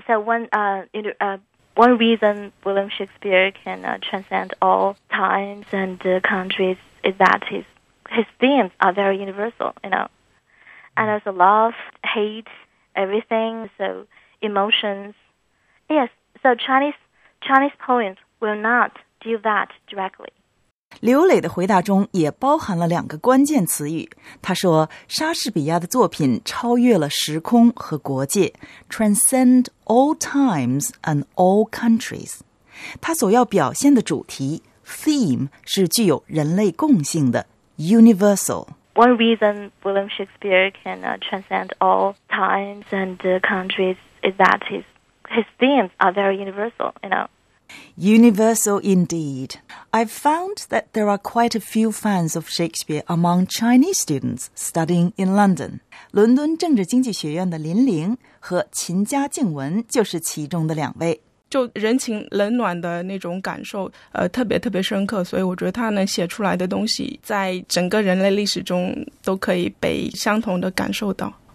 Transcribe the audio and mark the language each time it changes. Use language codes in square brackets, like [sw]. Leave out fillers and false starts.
[en] So one reason William Shakespeare can transcend all times and countries is that his themes are very universal, you know. And also love, hate, everything, so emotions. Yes, so Chinese poems will not do that directly. [zh] 刘磊的回答中也包含了两个关键词语。他说莎士比亚的作品超越了时空和国界 [en] transcend all times and all countries。 [zh] 他所要表现的主题 theme 是具有人类共性的 universal。 [en] One reason William Shakespeare can transcend all times and countries is that his themes are very universal, you know. Universal indeed. I've found that there are quite a few fans of Shakespeare among Chinese students studying in London. [zh] 伦敦政治经济学院的林玲和秦家静文就是其中的两位。就人情冷暖的那种感受特别特别深刻，所以我觉得他能写出来的东西在整个人类历史中都可以被相同的感受到。